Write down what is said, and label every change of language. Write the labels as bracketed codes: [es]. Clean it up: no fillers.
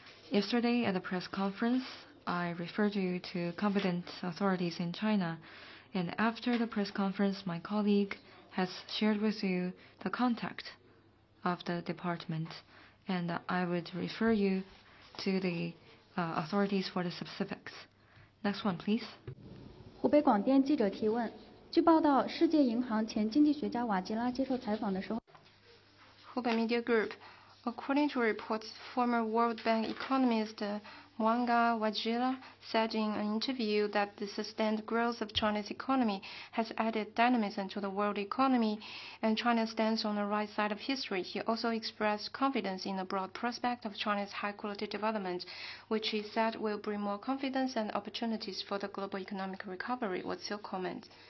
[en] Yesterday at the press conference, I referred you to competent authorities in China, and after the press conference, my colleague has shared with you the contact of the department, and I would refer you to the authorities for the specifics. Next one, please. [zh] 湖北广电记者提问。据报道，世界银行前经济学家瓦吉拉接受采访的时候。 [en] Hubei Media Group. According to reports, former World Bank economist Mwanga Wajila said in an interview that the sustained growth of China's economy has added dynamism to the world economy and China stands on the right side of history. He also expressed confidence in the broad prospect of China's high-quality development, which he said will bring more confidence and opportunities for the global economic recovery. What's your comment?